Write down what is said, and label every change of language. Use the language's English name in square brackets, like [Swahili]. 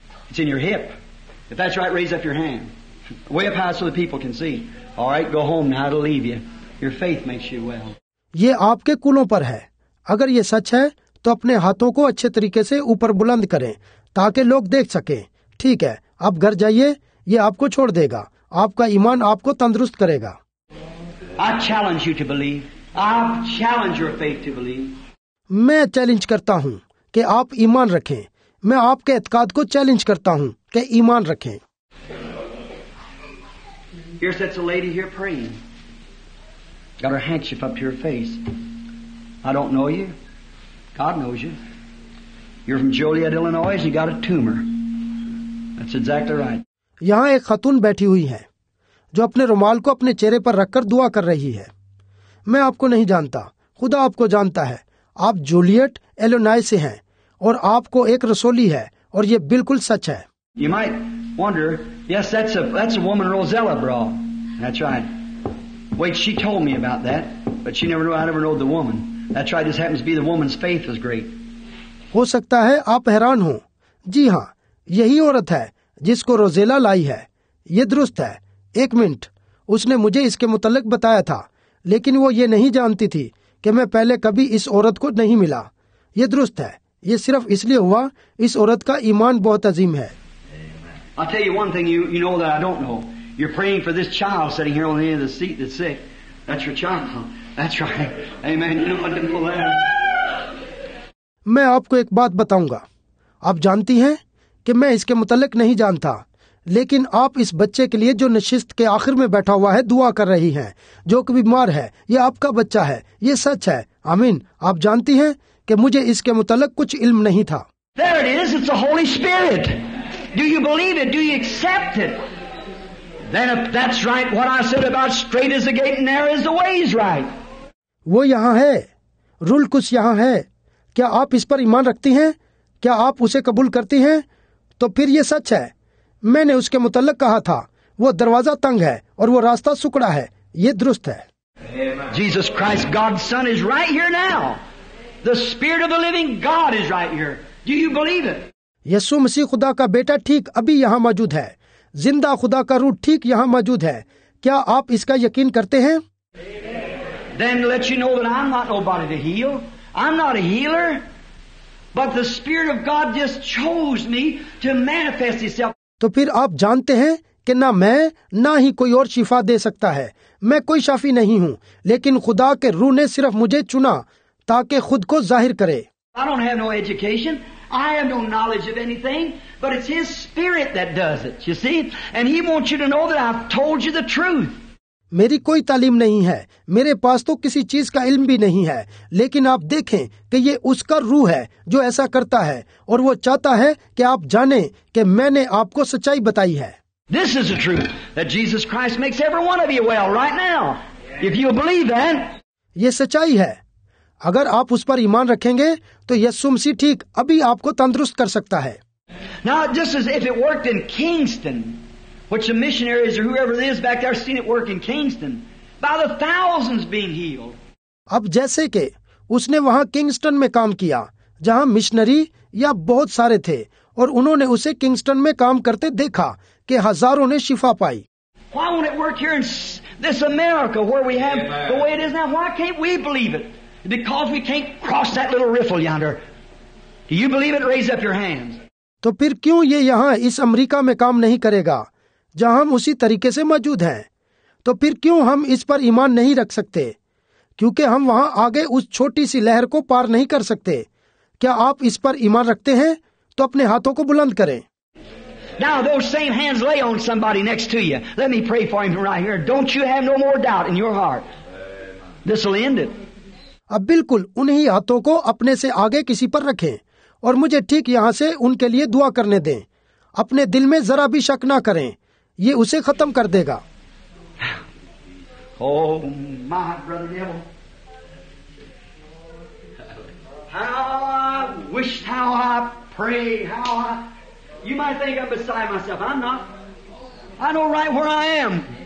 [English] It's in your hip. If that's right, raise up your hand. Way up high so the people can see. All right, go home now. It'll leave you. Your faith makes you well. [Hindi] ये आपके कूलों पर है. अगर ये सच है तो अपने हाथों को अच्छे तरीके से ऊपर बुलंद करें ताकि लोग देख सकें. ठीक है, आप घर जाइए. ये आपको छोड़ देगा. आपका ईमान आपको तंदुरुस्त करेगा. [English] I challenge you to believe. I challenge your faith to believe. [Hindi] मैं चैलेंज करता हूँ कि आप ईमान रखें. मैं आपके एतकाद को चैलेंज करता हूँ कि ईमान रखें. [English] Here sits a lady here praying. Got her handkerchief up to her face. I don't know you. God knows you. You're from Joliet, Illinois. You got a tumor. That's exactly right. [Hindi] यहाँ एक खातून बैठी हुई है जो अपने रुमाल को अपने चेहरे पर रखकर दुआ कर रही है. मैं आपको नहीं जानता. खुदा आपको जानता है. आप जूलियट एलोनाई से हैं और आपको एक रसोली है, और ये बिल्कुल सच है. [English] You might wonder, yes, that's a woman Rosella brought. That's right. Wait, she told me about that, but she never knew. I never knew the woman. That's right. This happens to be the woman's faith was great. [Hindi] हो सकता है आप हैरान हों. जी हाँ, यही औरत है जिसको रोजेला लाई है. ये दुरुस्त है. एक मिनट, उसने मुझे इसके मुतलक बताया था, लेकिन वो ये नहीं जानती थी कि मैं पहले कभी इस औरत को नहीं मिला. ये दुरुस्त है. ये सिर्फ इसलिए हुआ, इस औरत का ईमान बहुत अजीम है. [English] I'll tell you one thing you know that I don't know. You're praying for this child sitting here on the end of the seat that's sick. That's your child. That's right. Amen. You know what I'm pulling out. [Hindi] मैं आपको एक बात बताऊंगा. आप जानती हैं कि मैं इसके मुतलक नहीं जानता, लेकिन आप इस बच्चे के लिए जो नशिस्त के आखिर में बैठा हुआ है दुआ कर रही हैं, जो कि बीमार है. ये आपका बच्चा है. ये सच है. आमीन. आप जानती हैं कि मुझे इसके मुतलक कुछ इल्म नहीं था. [English] There it is. It's the Holy Spirit. Do you believe it? Do you accept it? Then if that's right, what I said about straight is the gate and narrow is the way is right. [Hindi] वो यहाँ है. Rule कुछ यहाँ है. क्या आप इस पर ईमान रखती हैं? क्या आप उसे कबूल करती हैं? तो फिर ये सच है. मैंने उसके मुतलक कहा था, वो दरवाजा तंग है और वो रास्ता सुकड़ा है. ये दुरुस्त है. [English] Jesus Christ, God's Son, is right here now. The Spirit of the Living God is right here. Do you believe it? [Hindi] यीशु मसीह खुदा का बेटा ठीक अभी यहाँ मौजूद है. जिंदा खुदा का रूह ठीक यहाँ मौजूद है. क्या आप इसका यकीन करते हैं? [English] Then let you know that I'm not nobody to heal. I'm not a healer, but the Spirit of God just chose me to manifest itself. [Hindi] तो फिर आप जानते हैं कि ना मैं ना ही कोई और शिफा दे सकता है. मैं कोई शाफी नहीं हूँ, लेकिन खुदा के रूह ने सिर्फ मुझे चुना ताकि खुद को जाहिर करे. [English] I don't have no education. I have no knowledge of anything, but it's His Spirit that does it, you see? And He wants you to know that I've told you the truth. [Hindi] मेरी कोई तालीम नहीं है. मेरे पास तो किसी चीज का इल्म भी नहीं है, लेकिन आप देखें कि ये उसका रूह है जो ऐसा करता है, और वो चाहता है कि आप जानें कि मैंने आपको सच्चाई बताई है. [English] This is the truth that Jesus Christ makes every one of you well right now. If you believe that. [Hindi] ये सच्चाई है. अगर आप उस पर ईमान रखेंगे तो यीशु मसीह ठीक अभी आपको तंदुरुस्त कर सकता है. [English] Now just as if it worked in Kingston. Which the missionaries or whoever it is back there seen it work in Kingston by the thousands being healed. [Hindi] अब जैसे के उसने वहाँ किंगस्टन में काम किया जहाँ मिशनरी या बहुत सारे थे, और उन्होंने उसे किंगस्टन में काम करते देखा कि हजारों ने शिफा पाई. [English] Why won't it work here in this America where we have Amen. The way it is now? Why can't we believe it? Because we can't cross that little riffle yonder. Do you believe it? Raise up your hands. [Hindi] तो फिर क्यों ये यहाँ इस America में काम नहीं करेगा जहाँ हम उसी तरीके से मौजूद हैं? तो फिर क्यों हम इस पर ईमान नहीं रख सकते? क्योंकि हम वहाँ आगे उस छोटी सी लहर को पार नहीं कर सकते. क्या आप इस पर ईमान रखते हैं? तो अपने हाथों को बुलंद करें. [English] Now those same hands lay on somebody next to you. Let me pray for him right here. Don't you have no more doubt in your heart. This will end it. [Hindi] अब बिल्कुल उन्हीं हाथों को अपने से आगे किसी पर रखें और मुझे ठीक यहाँ से उनके लिए दुआ करने दें. अपने दिल में जरा भी शक ना करें, ये उसे खत्म कर देगा. [English] Oh my brother devil, how I wish, how I pray, how I, you might think I am beside myself, I am not, I know right where I am.